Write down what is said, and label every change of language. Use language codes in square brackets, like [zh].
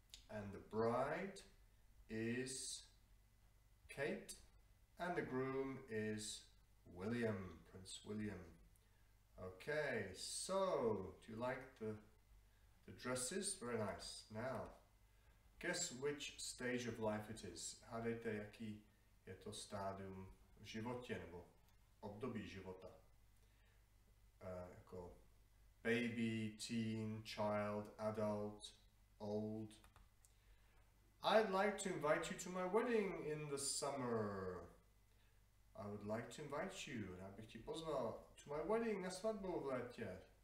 [en] And the bride is Kate, and the groom is William, Prince William. Okay, so do you like the dresses? Very nice. Now, guess which stage of life it is. [cs] Hádejte, jaký je to stádium v životě nebo období života. [en] Jako baby, teen, child, adult, old. I'd like to invite you to my wedding in the summer. I would like to invite you. [cs] Já bych ti pozval [en] to my wedding, [cs] na svatbu v létě.